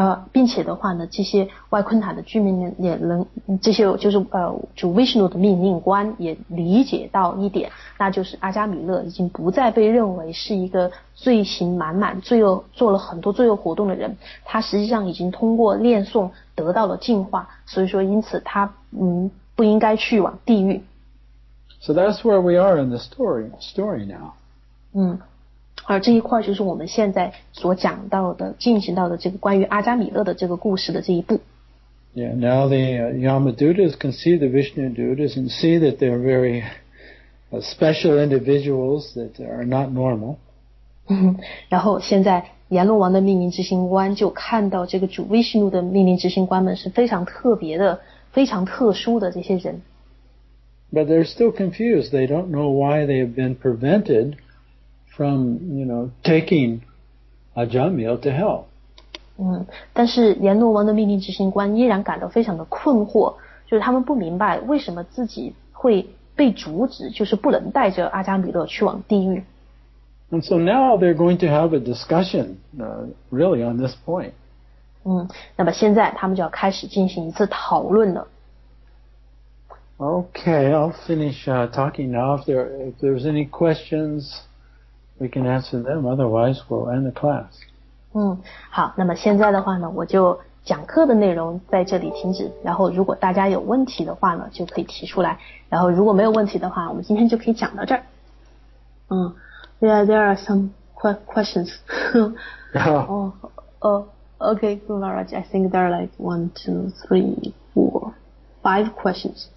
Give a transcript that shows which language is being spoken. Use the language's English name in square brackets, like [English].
[Chinese] 并且的话呢，这些外昆塔的居民也能，这些就是主 Vishnu 的命令官也理解到一点，那就是阿加米勒已经不再被认为是一个罪行满满、罪恶做了很多罪恶活动的人，他实际上已经通过念诵得到了净化，所以说因此他不应该去往地狱。 [English] So that's where we are in the story now. [Chinese] 而这一块就是我们现在所讲到的进行到的这个关于阿加米勒的这个故事的这一步。 [English] Yeah, now the Yamadutas can see the Vishnu Duttas and see that they're very special individuals that are not normal. [Chinese] 然后现在阎罗王的命令执行官就看到这个主 Vishnu 的命令执行官们是非常特别的、非常特殊的这些人。 [English] But they're still confused. They don't know why they have been prevented. From, you know, taking Ajamil to hell. [Chinese] 但是阎罗王的命令执行官依然感到非常的困惑，就是他们不明白为什么自己会被阻止，就是不能带着阿加米勒去往地狱。 [English] And so now they're going to have a discussion, really on this point. [Chinese] 那么现在他们就要开始进行一次讨论了。 [English] Okay, I'll finish talking now. If there's any questions... We can answer them, otherwise we'll end the class. [Chinese] 好，那么现在的话呢，我就讲课的内容在这里停止，然后如果大家有问题的话呢，就可以提出来，然后如果没有问题的话，我们今天就可以讲到这儿。 [English] There are some questions. okay, Guruji, I think there are like 1, 2, 3, 4, 5 questions.